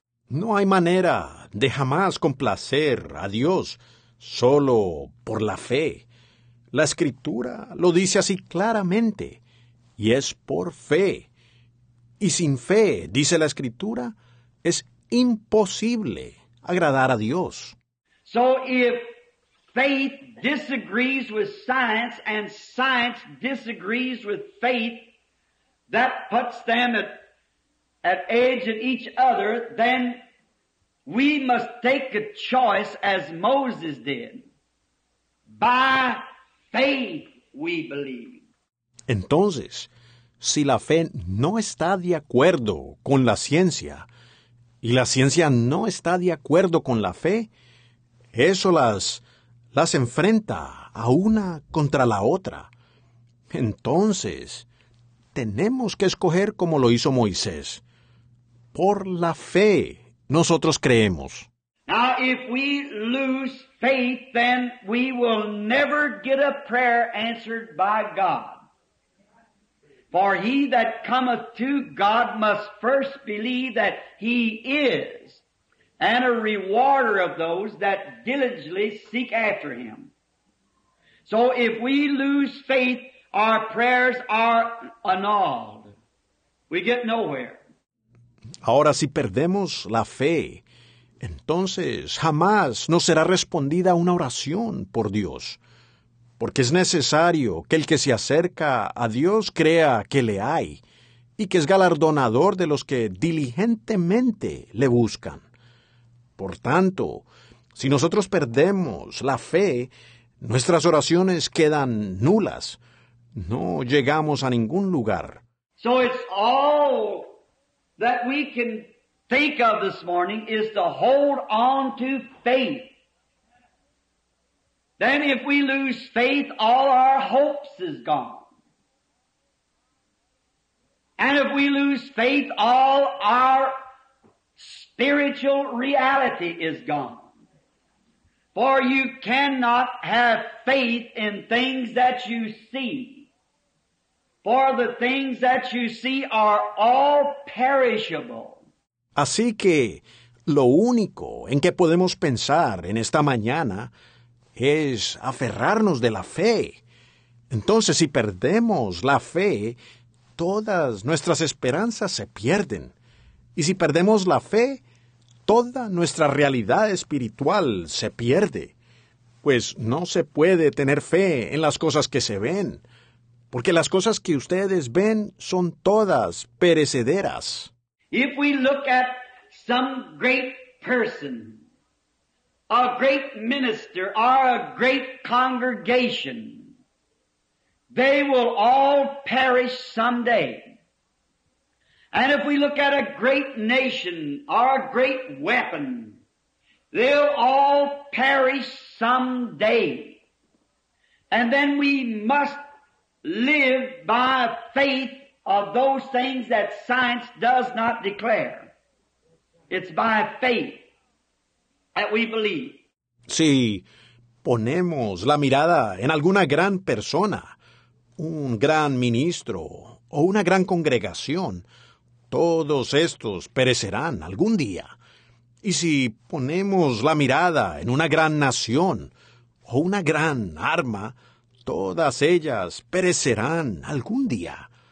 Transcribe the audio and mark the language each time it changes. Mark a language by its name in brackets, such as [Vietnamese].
[Spanish] No hay manera de jamás complacer a Dios solo por la fe. La Escritura lo dice así claramente, y es por fe. Y sin fe, dice la Escritura, es imposible agradar a Dios. [English] So if faith disagrees with science and science disagrees with faith, that puts them at edge at each other, then we must take a choice as Moses did. By faith we believe. [Spanish] Entonces, si la fe no está de acuerdo con la ciencia, y la ciencia no está de acuerdo con la fe, eso las enfrenta a una contra la otra. Entonces, tenemos que escoger como lo hizo Moisés. Por la fe, nosotros creemos. [English] Now, if we lose faith, then we will never get a prayer answered by God. For he that cometh to God must first believe that he is, and a rewarder of those that diligently seek after him. So if we lose faith, our prayers are annulled. We get nowhere. [Spanish] Ahora, si perdemos la fe, entonces jamás nos será respondida una oración por Dios, porque es necesario que el que se acerca a Dios crea que le hay y que es galardonador de los que diligentemente le buscan. Por tanto, si nosotros perdemos la fe, nuestras oraciones quedan nulas. No llegamos a ningún lugar. [English] So it's all that we can think of this morning is to hold on to faith. Then if we lose faith, all our hopes is gone. And if we lose faith, all our spiritual reality is gone. For you cannot have faith in things that you see. For the things that you see are all perishable. [Spanish] Así que lo único en que podemos pensar en esta mañana es aferrarnos de la fe. Entonces, si perdemos la fe, todas nuestras esperanzas se pierden. Y si perdemos la fe, toda nuestra realidad espiritual se pierde. Pues no se puede tener fe en las cosas que se ven. Porque las cosas que ustedes ven son todas perecederas. [English] If we look at some great person, a great minister, or a great congregation, they will all perish someday. And if we look at a great nation, or a great weapon, they'll all perish someday. And then we must live by faith of those things that science does not declare. It's by faith that we believe. [Spanish] Si ponemos la mirada en alguna gran persona, un gran ministro o una gran congregación, todos estos perecerán algún día. Y si ponemos la mirada en una gran nación o una gran arma, todas ellas perecerán algún día.